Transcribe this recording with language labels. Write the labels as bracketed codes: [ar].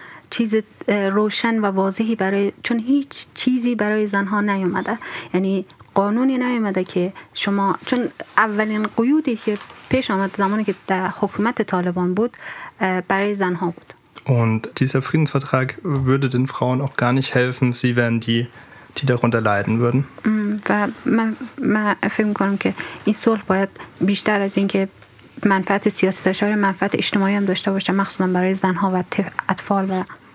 [fa] چیز روشن و واضحی برای چون هیچ چیزی برای زنها نیومده یعنی قانونی نیومده که شما چون اولین قیودی که پیش آمد زمانی که در حکومت طالبان بود برای زنها بود [de] Und dieser Friedensvertrag würde den Frauen auch gar nicht helfen, sie wären die darunter leiden würden. [fa] و من فکر می‌کنم که این صلح باید بیشتر از این که منفعت سیاسی داشته باشه منفعت اجتماعی هم داشته باشه مخصوصا برای زنها و اطفال و